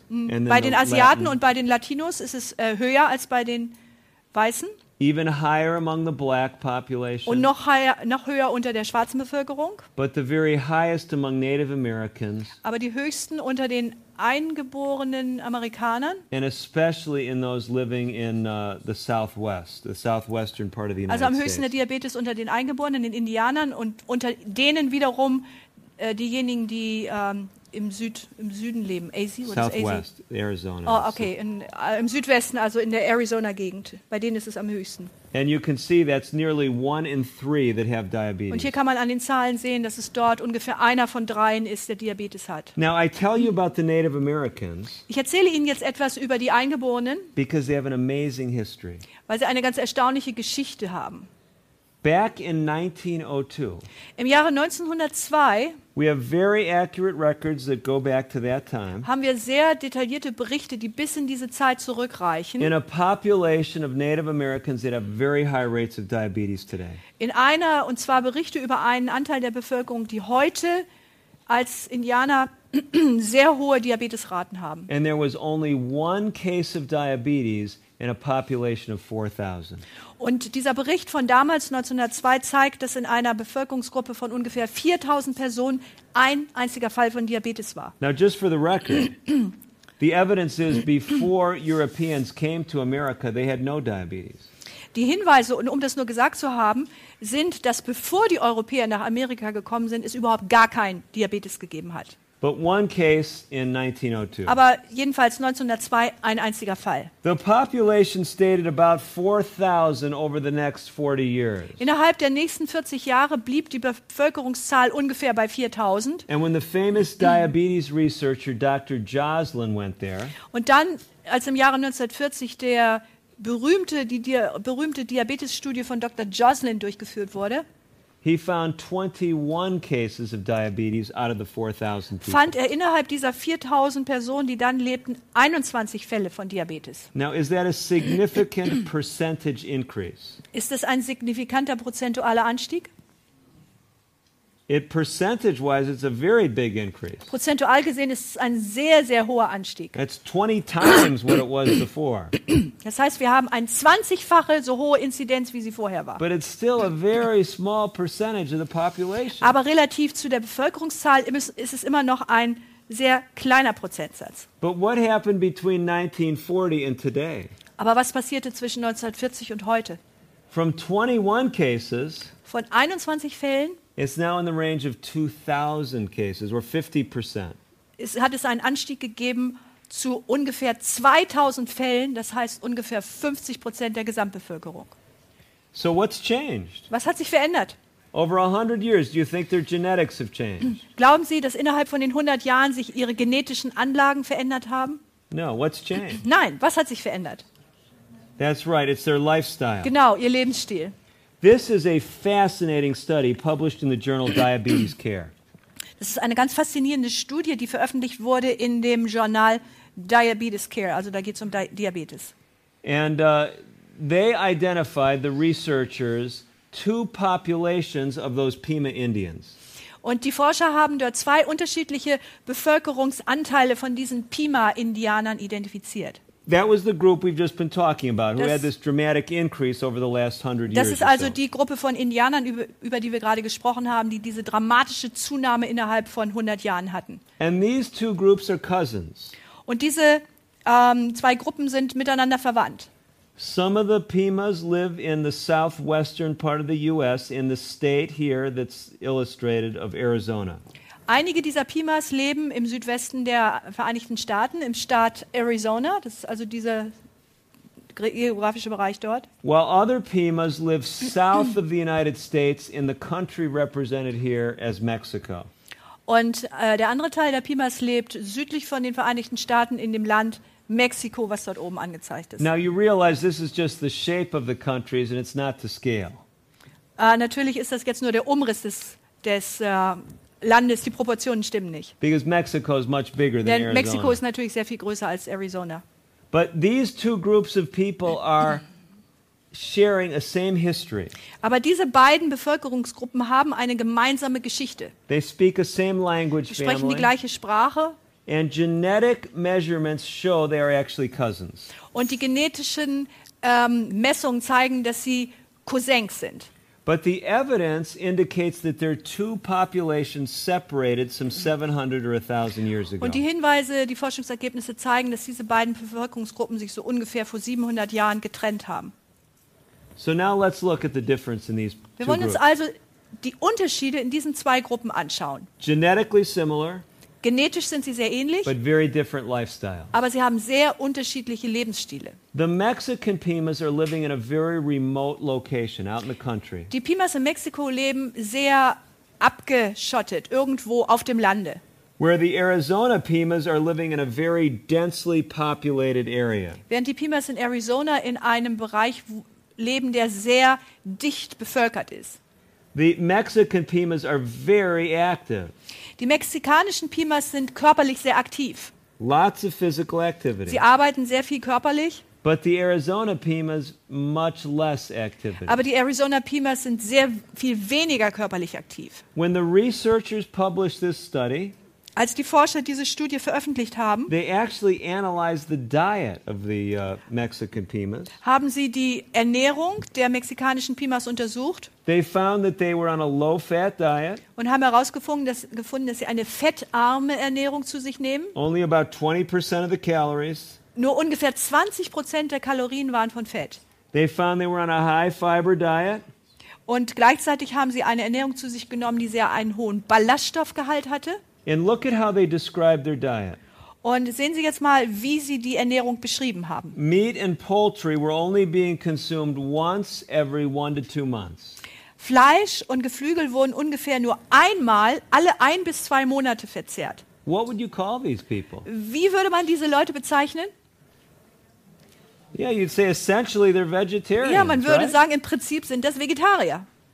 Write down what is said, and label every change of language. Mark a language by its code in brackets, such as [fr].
[de] Den Asiaten und bei den Latinos ist es höher als bei den Weißen. [en] Even higher among the black population. [de] Und noch höher unter der schwarzen Bevölkerung. [en] But the very highest among Native Americans. [de] Aber die höchsten unter den eingeborenen Amerikanern. [en] And especially in those living in the Southwest, the southwestern part of the United States. [de] Also am höchsten der Diabetes unter den Eingeborenen, den Indianern und unter denen wiederum diejenigen, die im Süden leben. AZ, [en] what Southwest, is AZ? Arizona. Oh, okay, so. [de] Im Südwesten, also in der Arizona-Gegend. Bei denen ist es am höchsten. [en] And you can see that's nearly one in three that have diabetes. [de] Und hier kann man an den Zahlen sehen, dass es dort ungefähr einer von dreien ist, der Diabetes hat. [en] Now I tell you about the Native Americans. [de] Ich erzähle Ihnen jetzt etwas über die Eingeborenen. [en] Because they have an amazing history. [de] Weil sie eine ganz erstaunliche Geschichte haben. [en] Back in 1902. [de] Im Jahre 1902. [en] We have very accurate records that go back to that time. [de] Haben wir sehr detaillierte Berichte, die bis in diese Zeit zurückreichen. [en] In a population of Native Americans that have very high rates of diabetes today. [de] In einer und zwar Berichte über einen Anteil der Bevölkerung, die heute als Indianer sehr hohe Diabetesraten haben. [en] And there was only one case of diabetes in a population of 4000. [de] Und dieser Bericht von damals 1902 zeigt, dass in einer Bevölkerungsgruppe von ungefähr 4000 Personen ein einziger Fall von Diabetes war. [en] Now just for the record, the evidence is before Europeans came to America, they had no diabetes. [de] Die Hinweise, und um das nur gesagt zu haben, sind, dass bevor die Europäer nach Amerika gekommen sind, es überhaupt gar kein Diabetes gegeben hat. [en] But one case in 1902. [de] Aber jedenfalls 1902 ein einziger Fall. [en] The population stayed about 4000 over the next 40 years. [de] Innerhalb der nächsten 40 Jahre blieb die Bevölkerungszahl ungefähr bei 4000. [en] And when the famous diabetes researcher Dr. Joslin went there. [de] Und dann als im Jahre 1940 die berühmte Diabetesstudie von Dr. Joslin durchgeführt wurde. [en] He found 21 cases of diabetes out of the 4000 people. [de] Fand er innerhalb dieser 4000 Personen, die dann lebten, 21 Fälle von Diabetes. [en] Now is that a significant percentage increase? [de] Ist das ein signifikanter prozentualer Anstieg? [en] It percentage wise it's a very big increase. [de] Prozentual gesehen ist es ein sehr sehr hoher Anstieg. [en] It's 20 times what it was before. [de] Das heißt, wir haben ein 20-fache so hohe Inzidenz wie sie vorher war. [en] But it's still a very small percentage of the population. [de] Aber relativ zu der Bevölkerungszahl ist es immer noch ein sehr kleiner Prozentsatz. [en] But what happened between 1940 and today? [de] Aber was passierte zwischen 1940 und heute? [en] From 21 cases. [de] Von 21 Fällen. [en] It's now in the range of 2,000 cases, or 50%. [de] Es hat es einen Anstieg gegeben zu ungefähr 2,000 Fällen, das heißt ungefähr 50% der Gesamtbevölkerung. [en] So what's changed? [de] Was hat sich verändert? [en] Over 100 years, do you think their genetics have changed? [de] Glauben Sie, dass innerhalb von den 100 Jahren sich ihre genetischen Anlagen verändert haben? [en] No, what's changed? [de] Nein, was hat sich verändert? [en] That's right, it's their lifestyle. [de] Genau, ihr Lebensstil. [en] This is a fascinating study published in the journal Diabetes Care. [de] Das ist eine ganz faszinierende Studie, die veröffentlicht wurde in dem Journal Diabetes Care. Also da geht's um Diabetes. [en] And they identified the researchers two populations of those Pima Indians. [de] Und die Forscher haben dort zwei unterschiedliche Bevölkerungsanteile von diesen Pima Indianern identifiziert. [en] That was the group we've just been talking about, who had this dramatic increase over the last 100 years. [de] Das ist also die Gruppe von Indianern, über die wir gerade gesprochen haben, die diese dramatische Zunahme innerhalb von 100 Jahren hatten. [en] And these two groups are cousins. [de] Und diese zwei Gruppen sind miteinander verwandt. [en] Some of the Pimas live in the southwestern part of the US in the state here that's illustrated of Arizona. [de] Einige dieser Pimas leben im Südwesten der Vereinigten Staaten, im Staat Arizona, das ist also dieser geografische Bereich dort. [en] While other Pimas live south of the United States in the country represented here as Mexico. [de] Und der andere Teil der Pimas lebt südlich von den Vereinigten Staaten in dem Land Mexiko, was dort oben angezeigt ist. [en] Now you realize this is just the shape of the countries and it's not to scale. [de] Natürlich ist das jetzt nur der Umriss des Landes, die Proportionen stimmen nicht. [en] Because Mexico is much bigger than Arizona. [de] Denn Mexiko ist natürlich sehr viel größer als Arizona. [en] But these two groups of people are sharing a same history. [de] Aber diese beiden Bevölkerungsgruppen haben eine gemeinsame Geschichte. [en] They speak a same language family. [de] Sprechen die gleiche Sprache. [en] And genetic measurements show they are actually cousins. [de] Und die genetischen Messungen zeigen, dass sie Cousins sind. [en] But the evidence indicates that there are two populations separated some 700 or 1000 years ago. [de] Und die Hinweise, die Forschungsergebnisse zeigen, dass diese beiden Bevölkerungsgruppen sich so ungefähr vor 700 Jahren getrennt haben. [en] So now let's look at the difference in these two groups. [de] Wir wollen uns also die Unterschiede in diesen zwei Gruppen anschauen. [en] Genetically similar. [de] Genetisch sind sie sehr ähnlich, [en] but very different lifestyles. [de] Aber sie haben sehr unterschiedliche Lebensstile. [en] The Mexican Pimas are living in a very remote location out in the country. [de] Die Pimas in Mexiko leben sehr abgeschottet, irgendwo auf dem Lande. [en] Where the Arizona Pimas are living in a very densely populated area. [de] Während die Pimas in Arizona in einem Bereich leben, der sehr dicht bevölkert ist. [en] The Mexican Pimas are very active. [de] Die mexikanischen Pimas sind körperlich sehr aktiv. [en] Lots of physical activity. [de] Sie arbeiten sehr viel körperlich. [en] But the Arizona Pimas much less activity. [de] Aber die Arizona Pimas sind sehr viel weniger körperlich aktiv. [en] When the researchers published this study, [de] als die Forscher diese Studie veröffentlicht haben, [en] they actually analyzed the diet of the Mexican Pimas. [de] Haben sie die Ernährung der mexikanischen Pimas untersucht? [en] They found that they were on a low-fat diet. [de] Und haben herausgefunden, dass sie eine fettarme Ernährung zu sich nehmen. [en] Only about 20% of the calories. [de] Nur ungefähr 20% der Kalorien waren von Fett. [en] They found they were on a high-fiber diet. [de] Und gleichzeitig haben sie eine Ernährung zu sich genommen, die sehr einen hohen Ballaststoffgehalt hatte. [en] And look at how they describe their diet. [de] Und sehen Sie jetzt mal, wie sie die Ernährung beschrieben haben. [en] Meat and poultry were only being consumed once every 1 to 2 months. [de] Fleisch und Geflügel wurden ungefähr nur einmal alle 1 bis 2 Monate verzehrt. [en] What would you call these people? [de] Wie würde man diese Leute bezeichnen? [en] Yeah, you'd say essentially they're vegetarians. [de] Ja, man würde [en] right? [de] sagen, im Prinzip sind das Vegetarier.